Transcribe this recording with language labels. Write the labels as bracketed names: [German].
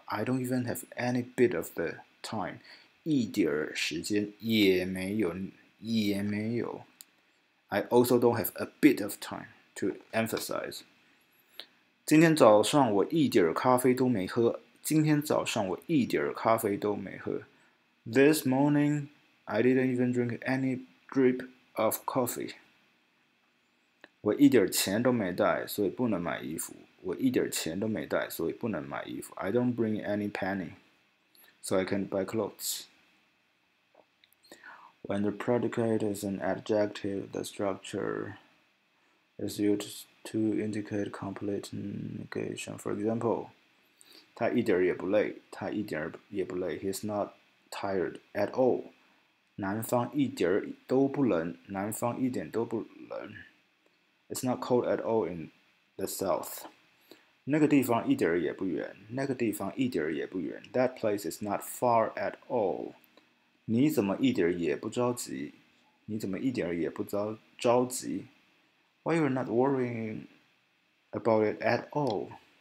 [English] I don't even have any bit of the time. [Chinese] 一点时间也没有。也没有。 [English] I also don't have a bit of time to emphasize. [Chinese] 今天早上我一点咖啡都没喝。今天早上我一点咖啡都没喝。 [English] This morning, I didn't even drink any drip of coffee. [Chinese] 我一点钱都没带，所以不能买衣服。我一点钱都没带，所以不能买衣服。 [English] I don't bring any penny, so I can't buy clothes. When the predicate is an adjective, the structure is used to indicate complete negation. For example, [Chinese] 他一点也不累，他一点也不累。 [English] He's not tired at all. [Chinese] 南方一点都不冷，南方一点都不冷。 [English] It's not cold at all in the south. [Chinese] 那个地方一点也不远，那个地方一点也不远。 [English] That place is not far at all. [Chinese] 你怎么一点也不着急？你怎么一点也不着急 [English] ？Why you're not worrying about it at all?